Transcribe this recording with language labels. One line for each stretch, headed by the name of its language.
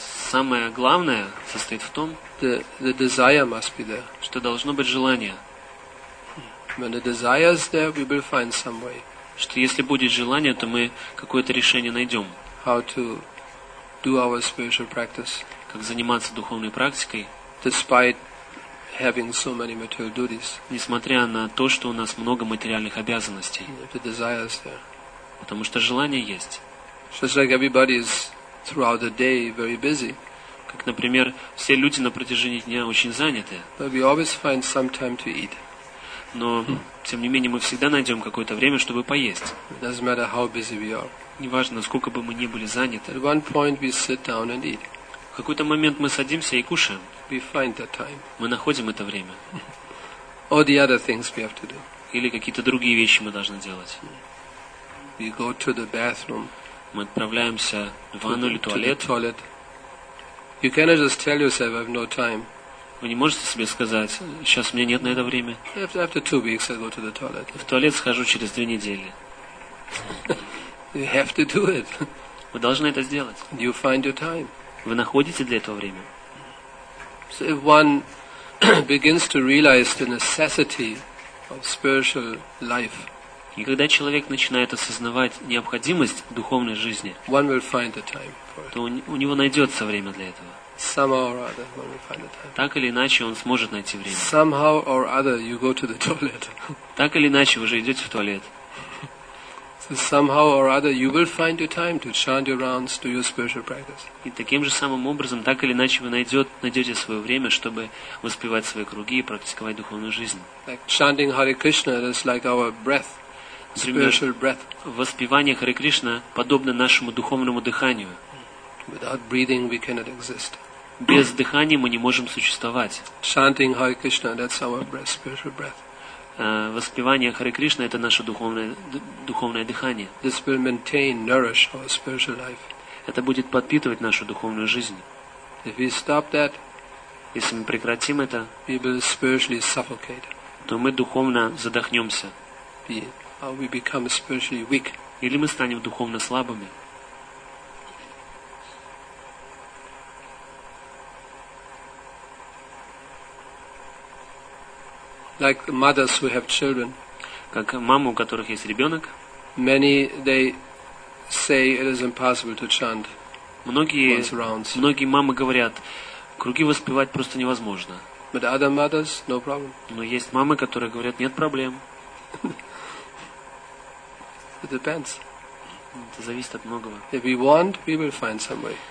Russian: самое главное состоит в том,
English: the desire must be there.
Russian: Что должно быть желание.
English: When the desire is there, we will find some way.
Russian: Что если будет желание, то мы какое-то решение найдем.
English: How to do our spiritual practice.
Russian: Как заниматься духовной практикой.
English: Despite having so many material duties.
Russian: Несмотря на то, что у нас много материальных обязанностей.
English: The desire is there.
Russian: Потому что желание есть.
English: Just like everybody is throughout the day very busy.
Russian: Как, например, все люди на протяжении дня очень заняты.
English: But we always find some time to eat.
Russian: Но, тем не менее, мы всегда найдем какое-то время, чтобы поесть.
English: It doesn't matter how busy we are.
Russian: Неважно, сколько бы мы ни были заняты.
English: At one point we sit down and eat.
Russian: В какой-то момент мы садимся и кушаем.
English: We find that time.
Russian: Мы находим это время.
English: Or the other things we have to do.
Russian: Или какие-то другие вещи мы должны делать.
English: We go to the bathroom.
Russian: Мы отправляемся в ванну или туалет.
English: To the toilet. You cannot just tell yourself, I have no time.
Russian: Вы не можете себе сказать, сейчас у меня нет на это время.
English: After 2 weeks I go to the toilet.
Russian: В туалет схожу через 2 недели.
English: You have to do it.
Russian: Вы должны это сделать.
English: You find your time.
Russian: Вы находите для этого время.
English: So if one begins to realize the necessity of spiritual life,
Russian: и когда человек начинает осознавать необходимость духовной жизни,
English: one will find the time for it.
Russian: То у него найдется время для этого.
English: Somehow or other, one will find the time.
Russian: Так или иначе, он сможет найти время.
English: Somehow or other, you go to the toilet.
Russian: Так или иначе, вы же идете в туалет.
English: So somehow or other, you will find your time to chant your rounds, do your spiritual practice.
Russian: И таким же самым образом, так или иначе, вы найдете свое время, чтобы воспевать свои круги и практиковать духовную жизнь.
English: Like chanting Hare Krishna, it's like our breath, spiritual breath.
Russian: Воспевание Харе Кришна подобно нашему духовному дыханию.
English: Without breathing, we cannot exist.
Russian: Без дыхания мы не можем существовать.
English: Chanting Hare Krishna, that's our breath, spiritual breath.
Russian: Воспевание Харе Кришна – это наше духовное дыхание.
English: This will maintain, nourish our spiritual life.
Russian: Это будет подпитывать нашу духовную жизнь.
English: If we stop that,
Russian: если мы прекратим это,
English: we will spiritually suffocate.
Russian: То мы духовно задохнемся.
English: Or we become spiritually weak.
Russian: Или мы станем духовно слабыми.
English: Like mothers who have children,
Russian: как мамы, у которых есть ребенок,
English: many they say it is impossible to chant.
Russian: Многие мамы говорят, круги воспевать просто невозможно.
English: But other mothers, no problem.
Russian: Но есть мамы, которые говорят, нет проблем.
English: It depends.
Russian: Это зависит от многого.
English: If we want, we will find some way.